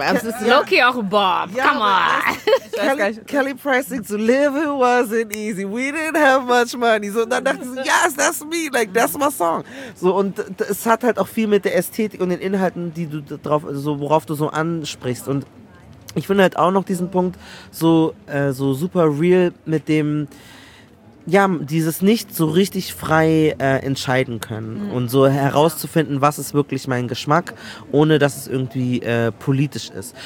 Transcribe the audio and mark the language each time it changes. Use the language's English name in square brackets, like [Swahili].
[German] Das ist Loki auch Bob, ja, [English] come on. Kelly Price, to live wasn't easy, we didn't have much money, so, [German] dann dachte ich so, [English] yes, that's me, like, that's my song. [German] So, und es hat halt auch viel mit der Ästhetik und den Inhalten, die du drauf, so, worauf du so ansprichst. Und ich finde halt auch noch diesen Punkt so, so super real mit dem, ja, dieses nicht so richtig frei entscheiden können und so herauszufinden, was ist wirklich mein Geschmack, ohne dass es irgendwie politisch ist.